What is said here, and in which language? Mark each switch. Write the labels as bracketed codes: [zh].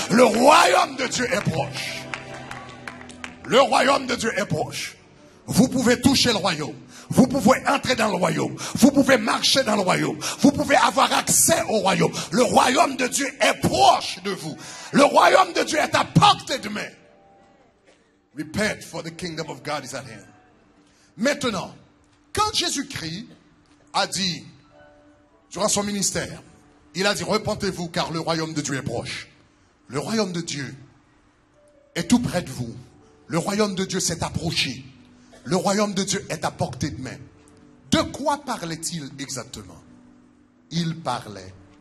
[fr] Le royaume de Dieu est proche. Le royaume de Dieu est proche. Vous pouvez toucher le royaume. Vous pouvez entrer dans le royaume. Vous pouvez marcher dans le royaume. Vous pouvez avoir accès au royaume. Le royaume de Dieu est proche de vous. Le royaume de Dieu est à portée de main. [en] Repent, for the kingdom of God is at hand. [fr] Maintenant, quand Jésus-Christ a dit, durant son ministère, il a dit, repentez-vous car le royaume de Dieu est proche. Le royaume de Dieu est tout près de vous. Le royaume de Dieu s'est approché. Le royaume de Dieu est à portée de main. De quoi parlait-il exactement? Il parlait